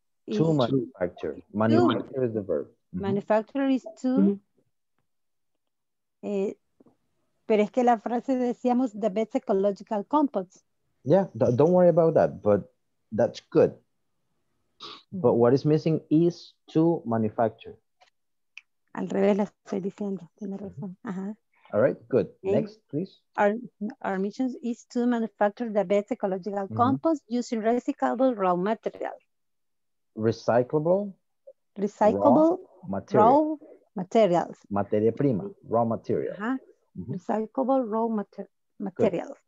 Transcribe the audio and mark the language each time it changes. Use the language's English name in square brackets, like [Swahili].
[English] To manufacture. Manufacture is the verb. Mm-hmm. Manufacture is to. Mm-hmm. [Spanish] Pero es que la frase decíamos [English] the best ecological compost. Yeah, don't worry about that, but that's good. Mm-hmm. But what is missing is to manufacture. [Spanish] Al revés, la estoy diciendo. Tiene razón. Mm-hmm. Ajá. [English] All right, good. Okay. Next, please. Our mission is to manufacture the best ecological compost using recyclable raw material. Recyclable raw materials. [Spanish] Materia prima, [English] raw material. Recyclable raw materials.